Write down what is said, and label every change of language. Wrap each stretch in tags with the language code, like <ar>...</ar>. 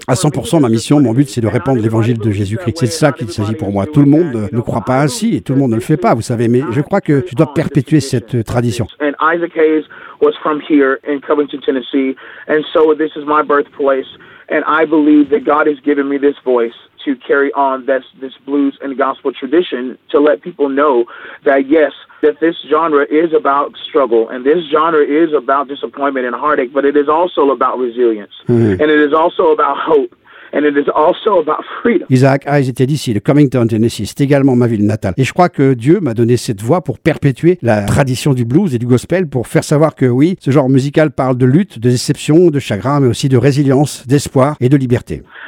<fr>À 100%, ma mission, mon but, c'est de répandre l'évangile de Jésus-Christ. C'est de ça qu'il s'agit pour moi. Tout le monde ne croit pas ainsi et tout le monde ne le fait pas, vous savez. Mais je crois que je dois perpétuer cette tradition.</fr> <en>And Isaac Hayes was from here in Covington, Tennessee. And so this is my birthplace. And I believe that God has given me this voice to carry on this blues and gospel tradition, to let people know that, yes, that this genre is about struggle, and this genre is about disappointment and heartache, but it is also about resilience, and it is also about hope. And it is also about freedom.</en> <fr>Isaac Hayes était d'ici, de Covington, Tennessee. C'est également ma ville natale. Et je crois que Dieu m'a donné cette voix pour perpétuer la tradition du blues et du gospel, pour faire savoir que oui, ce genre musical parle de lutte, de déception, de chagrin, mais aussi de résilience, d'espoir et de liberté.</fr>